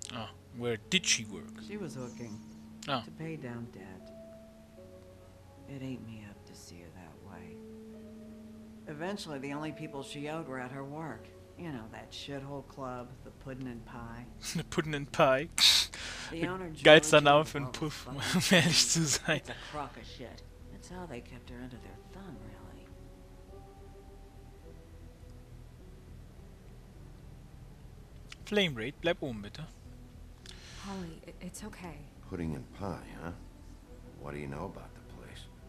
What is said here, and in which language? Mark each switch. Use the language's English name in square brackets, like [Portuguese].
[English] Oh, where did she work? She was hooking. Oh. To pay down debt. It ate me up to see her that way. Eventually, the only people she owed were at her work. You know, that shithole club, the Puddin' and Pie. The Puddin' and Pie. The owner, [German] geilster Name für einen Puff, um ehrlich zu sein. [English] It's a crock of shit. That's how they kept her under their thumb, really. [German] Flame rate, bleib oben, bitte. [English] Holly, it's okay. Puddin' and Pie, huh? What do you know about the place?